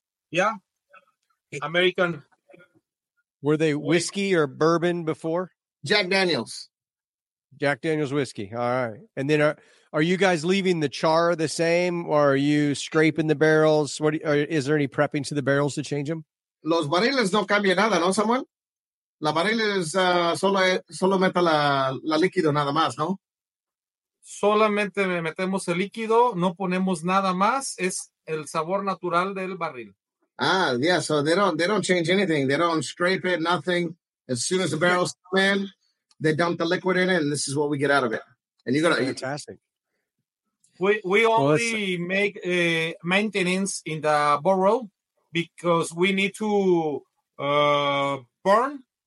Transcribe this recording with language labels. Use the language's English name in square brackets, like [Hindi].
[English] Yeah, American. Were they whiskey or bourbon before? Jack Daniels. Jack Daniels whiskey. All right. And then are you guys leaving the char the same or are you scraping the barrels? What are, is there any prepping to the barrels to change them? [Spanish] Los barriles no cambia nada, ¿no, Samuel? La barriles solo meta la líquido nada más, ¿no? Solamente metemos el líquido, no ponemos nada más. Es el sabor natural del barril. [English] Ah, yeah. So they don't change anything. They don't scrape it, nothing. As soon as the barrels come in, they dump the liquid in it, and this is what we get out of it. And you got to fantastic. We only make a maintenance in the barrel because we need to burn.